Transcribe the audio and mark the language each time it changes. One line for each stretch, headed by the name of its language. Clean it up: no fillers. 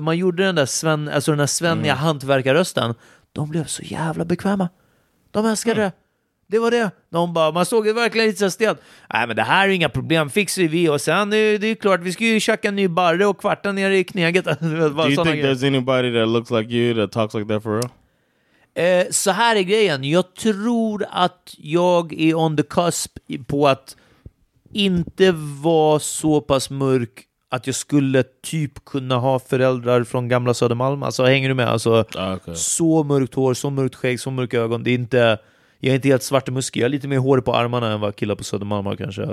Swedish: Man gjorde den där svenniga hantverkarrösten. De blev så jävla bekväma. De älskade det. Det var det. Någon bara, man såg det verkligen lite så stelt. Nej, men det här är inga problem, fixar vi. Och sen, det är klart, vi ska ju tjacka en ny barre och kvarta ner i knäget.
English: Do you think grejer. There's anybody that looks like you that talks like that for real?
Swedish: Så här är grejen. Jag tror att jag är
English: on the cusp
Swedish: på att inte vara så pass mörk att jag skulle typ kunna ha föräldrar från gamla Södermalm. Alltså, hänger du med? Alltså, okay. Så mörkt hår, så mörkt skägg, så mörka ögon. Det är inte... Jag är inte helt svart och muskig. Jag är lite mer hår på armarna än vad killar på Södermalm kanske.